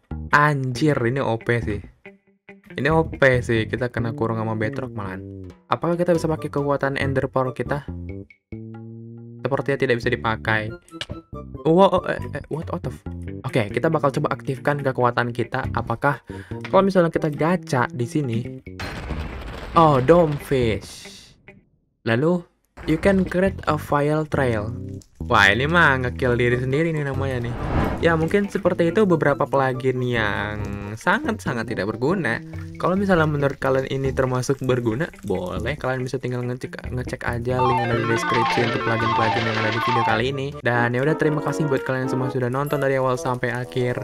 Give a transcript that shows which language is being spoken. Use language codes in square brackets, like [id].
[id] Anjir, ini OP sih. Ini OP sih, kita kena kurung sama bedrock malahan. Apakah kita bisa pakai kekuatan Ender Pearl kita? Sepertinya tidak bisa dipakai. [en] What the f? [id] Oke, kita bakal coba aktifkan kekuatan kita. Apakah kalau misalnya kita gacha di sini? Oh, Domfish. [en] Lalu, you can create a file trail. [id] Wah, ini mah nge-kill diri sendiri nih namanya nih. Ya, mungkin seperti itu beberapa plugin yang sangat-sangat tidak berguna. Kalau misalnya menurut kalian ini termasuk berguna, boleh kalian bisa tinggal ngecek aja link ada di deskripsi untuk plugin-plugin yang ada di video kali ini. Dan ya udah, terima kasih buat kalian yang semua sudah nonton dari awal sampai akhir.